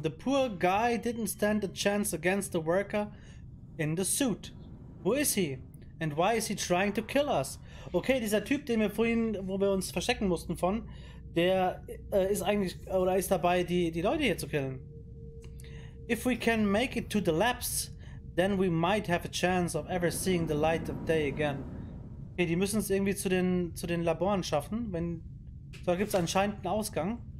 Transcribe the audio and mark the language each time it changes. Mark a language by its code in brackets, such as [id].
[en] The poor guy didn't stand a chance against the worker in the suit. Who is he? And why is he trying to kill us? [de] Okay, dieser Typ, den wir vorhin, wo wir uns verstecken mussten von, der ist eigentlich oder ist dabei, die Leute hier zu killen. [en] If we can make it to the labs, then we might have a chance of ever seeing the light of day again. [de] Okay, die müssen es irgendwie zu den Laboren schaffen. Wenn, da gibt es anscheinend einen Ausgang.